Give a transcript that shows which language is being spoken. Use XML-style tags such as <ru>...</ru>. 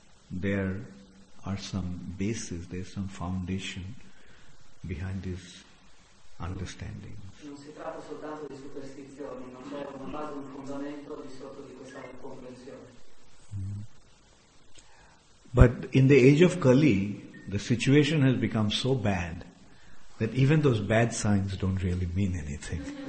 <en>There are some basis, there's some foundation behind these understandings.</en> <it>Non si tratta soltanto di superstizioni, non c'è una base, un fondamento di sotto di questa comprensione.</it> <en>But in the age of Kali, the situation has become so bad that even those bad signs don't really mean anything.</en>